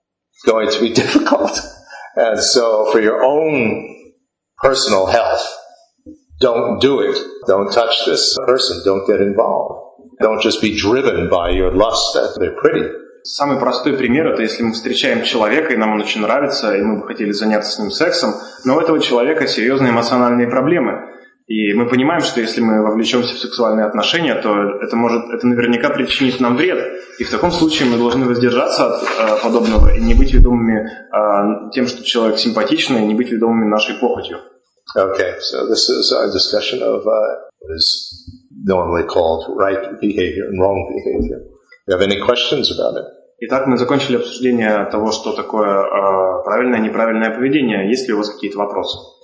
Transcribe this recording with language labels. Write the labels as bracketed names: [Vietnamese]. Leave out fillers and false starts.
[English] It's going to be difficult. And so for your own personal health, don't do it. Don't touch this person. Don't get involved. Don't just be driven by your lust that they're pretty. [Russian] Самый простой пример – это если мы встречаем человека, и нам он очень нравится, и мы бы хотели заняться с ним сексом, но у этого человека серьезные эмоциональные проблемы. И мы понимаем, что если мы вовлечемся в сексуальные отношения, то это наверняка причинит нам вред. И в таком случае мы должны воздержаться от подобного и не быть ведомыми тем, что человек симпатичный, и не быть ведомыми нашей похотью. [English] Okay, so this is our discussion of what is normally called right behavior and wrong behavior. Do you have any questions about it? [Russian] Итак, мы закончили обсуждение того, что такое правильное и неправильное поведение. Есть ли у вас какие-то вопросы?